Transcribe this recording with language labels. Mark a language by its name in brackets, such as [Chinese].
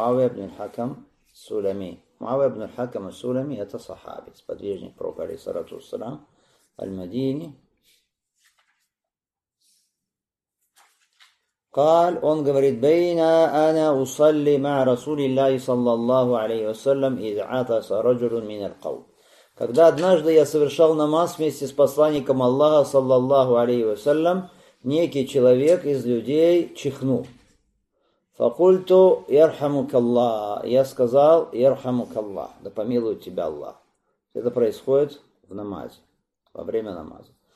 [Russian] От Муавия ибн аль-Хакам ас-Сулами. Муавия ибн аль-Хакам ас-Сулами это сахаби, сподвижник пророка алейхи салату ас-салям, аль-Мадини. [Arabic] قال [Russian] он говорит [Arabic] بين انا اصلي مع رسول الله صلى الله عليه وسلم اذ عطس رجل من القوم. [Russian] Когда однажды я совершал намаз вместе с посланником Аллаха саллаллаху алейхи ва саллям, некий человек из людей чихнул. [Arabic] فقلت يرحمك الله. [Russian] Я сказал [Arabic] يرحمك الله. [Russian] Да помилует тебя Аллах. Это происходит в намазе, во время намаза.